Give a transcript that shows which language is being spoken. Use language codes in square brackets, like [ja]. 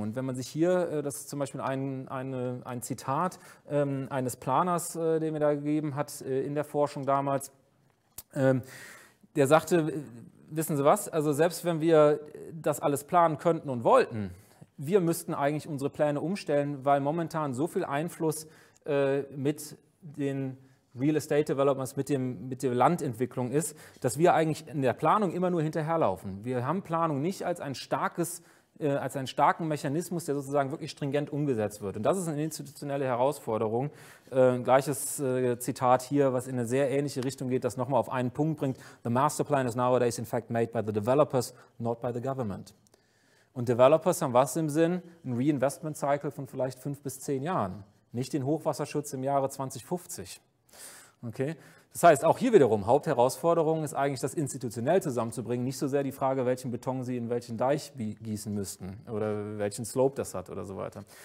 [de] Und wenn man sich hier, das ist zum Beispiel ein Zitat eines Planers, den mir da gegeben hat in der Forschung damals, der sagte, wissen Sie was, also selbst wenn wir das alles planen könnten und wollten, wir müssten eigentlich unsere Pläne umstellen, weil momentan so viel Einfluss mit den Real Estate Developments, mit der Landentwicklung ist, dass wir eigentlich in der Planung immer nur hinterherlaufen. Wir haben Planung nicht als einen starken Mechanismus, der sozusagen wirklich stringent umgesetzt wird. Und das ist eine institutionelle Herausforderung. Gleiches Zitat hier, was in eine sehr ähnliche Richtung geht, das nochmal auf einen Punkt bringt. [en] The master plan is nowadays in fact made by the developers, not by the government. [de] Und Developers haben was im Sinn? Ein Reinvestment Cycle von vielleicht 5 bis 10 Jahren. Nicht den Hochwasserschutz im Jahre 2050. Okay. Das heißt, auch hier wiederum, Hauptherausforderung ist eigentlich, das institutionell zusammenzubringen, nicht so sehr die Frage, welchen Beton Sie in welchen Deich gießen müssten oder welchen Slope das hat oder so weiter.